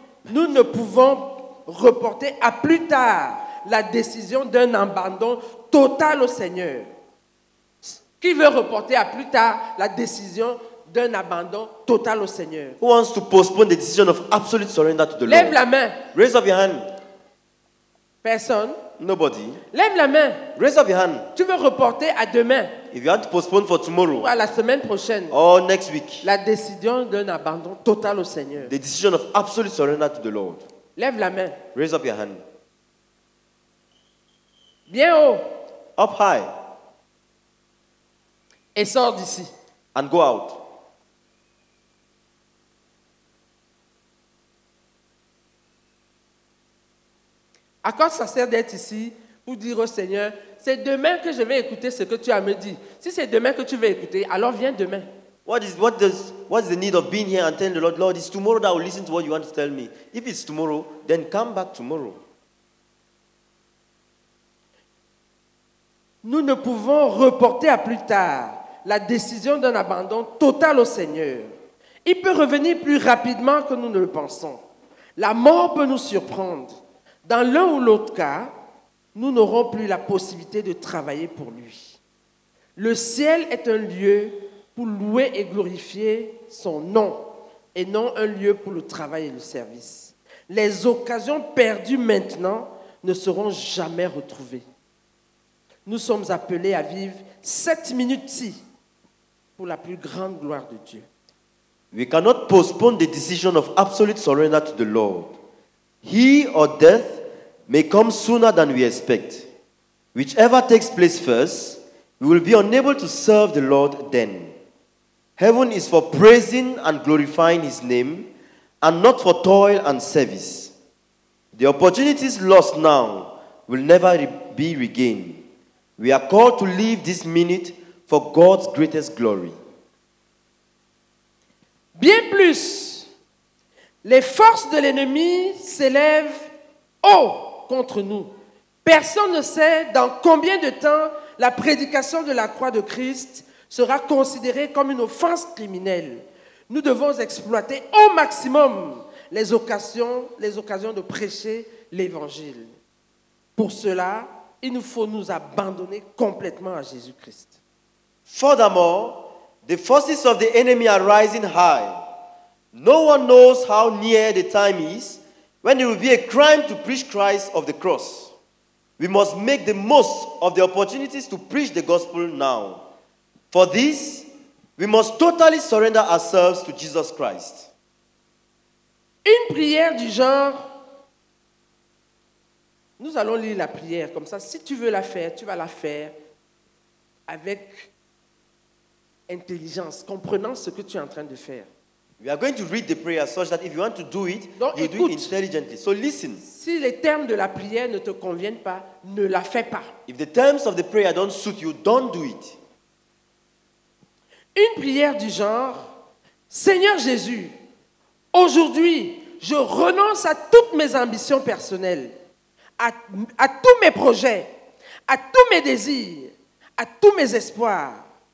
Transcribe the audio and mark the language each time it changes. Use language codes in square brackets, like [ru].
[fr] Nous ne pouvons reporter à plus tard la décision d'un abandon total au Seigneur. Qui veut reporter à plus tard la décision d'un abandon total au Seigneur? [en] Who wants to postpone the decision of absolute surrender to the Lord? [fr] Lève la main. [en] Raise up your hand. [fr] Personne. [en] Nobody. [fr] Lève la main. [en] Raise up your hand. [fr] Tu veux reporter à demain. [en] If you want to postpone for tomorrow. [fr] À la semaine prochaine. [en] Or next week. [fr] La décision d'un abandon total au Seigneur. [en] The decision of absolute surrender to the Lord. [fr] Lève la main. [en] Raise up your hand. [fr] Bien haut. [en] Up high. [fr] et sors d'ici. [en] And go out. [fr] À quoi ça sert d'être ici pour dire au Seigneur, c'est demain que je vais écouter ce que tu as me dit. Si c'est demain que tu veux écouter, alors viens demain. [en] What is the need of being here and telling the Lord, Lord, it's tomorrow that I will listen to what you want to tell me. If it's tomorrow, then come back tomorrow. [fr] Nous ne pouvons reporter à plus tard la décision d'un abandon total au Seigneur. Il peut revenir plus rapidement que nous ne le pensons. La mort peut nous surprendre. Dans l'un ou l'autre cas, nous n'aurons plus la possibilité de travailler pour lui. Le ciel est un lieu pour louer et glorifier son nom et non un lieu pour le travail et le service. Les occasions perdues maintenant ne seront jamais retrouvées. Nous sommes appelés à vivre 7 minutes-ci pour la plus grande gloire de Dieu. [en] We cannot postpone the decision of absolute surrender to the Lord. He or death may come sooner than we expect. Whichever takes place first, we will be unable to serve the Lord then. Heaven is for praising and glorifying his name and not for toil and service. The opportunities lost now will never be regained. We are called to live this minute for God's greatest glory. [fr] Bien plus, les forces de l'ennemi s'élèvent haut contre nous. Personne ne sait dans combien de temps la prédication de la croix de Christ sera considérée comme une offense criminelle. Nous devons exploiter au maximum les occasions de prêcher l'évangile. Pour cela, il nous faut nous abandonner complètement à Jésus-Christ. [en] Furthermore, the forces of the enemy are rising high. No one knows how near the time is when it will be a crime to preach Christ of the cross. We must make the most of the opportunities to preach the gospel now. For this, we must totally surrender ourselves to Jesus Christ. [fr] Une prière du genre... Nous allons lire la prière comme ça. Si tu veux la faire, tu vas la faire avec intelligence, comprenant ce que tu es en train de faire. [en] We are going to read the prayer such that if you want to do it, [fr] donc, [en] you [fr] écoute, [en] do it intelligently. So listen. [fr] Si les termes de la prière ne te conviennent pas, ne la fais pas. [en] If the terms of the prayer don't suit you, don't do it. [fr] Une prière du genre, Seigneur Jésus, aujourd'hui, je renonce à toutes mes ambitions personnelles. À tous mes projets, à tous mes désirs, à tous mes espoirs.